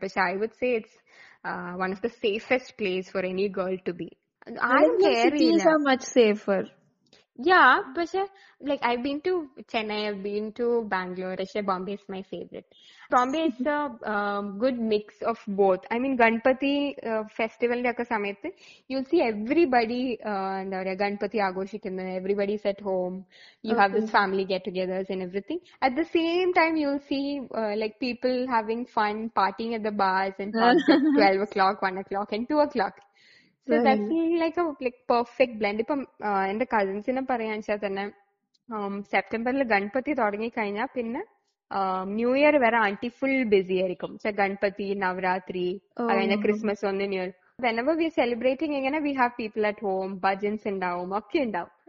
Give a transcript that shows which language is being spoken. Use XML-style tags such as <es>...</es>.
<en>പക്ഷെ I would say it's one of the safest place for any girl to be.</en> <ml>ആരും care ചെയ്യില്ല.</ml> <en>Yeah, but like I've been to Chennai, I've been to Bangalore. Actually, Bombay is my favorite. Bombay is a good mix of both. I mean, Ganpati festival like a summit, you'll see everybody Ganpati Agoshi, everybody's at home. You have this family get-togethers and everything. At the same time, you'll see like people having fun, partying at the bars and pubs at 12 o'clock, 1 o'clock, and 2 o'clock. So that's like perfect blend.</en> <ml>ഇപ്പം എന്റെ കസിൻസിനെ പറയാന്ന് വെച്ചാൽ തന്നെ സെപ്റ്റംബറിൽ ഗൺപതി തുടങ്ങി കഴിഞ്ഞാൽ പിന്നെ new year വരെ ആന്റി ഫുൾ ബിസി ആയിരിക്കും. ഗൺപതി, നവരാത്രി, അങ്ങനെ ക്രിസ്മസ്, ഒന്ന് new year.</ml> <en>whenever we celebrating</en> <ml>ഇങ്ങനെ</ml> <en>we have people at home,</en> <ml>bhajans ഉണ്ടാവും, ഒക്കെ ഉണ്ടാവും.</ml>